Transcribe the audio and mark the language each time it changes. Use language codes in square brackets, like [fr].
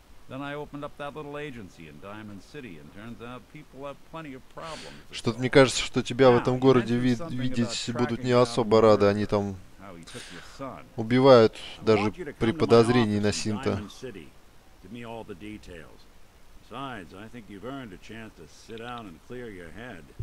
[en] Then I opened up that little agency in Diamond City, and turns out people have plenty of problems. [ru] Что-то мне кажется, что тебя в этом городе видеть будут не особо рады. Они там убивают даже при подозрении на синта. [en] Give me all the details. Besides, I think you've earned a chance to sit down and clear your head.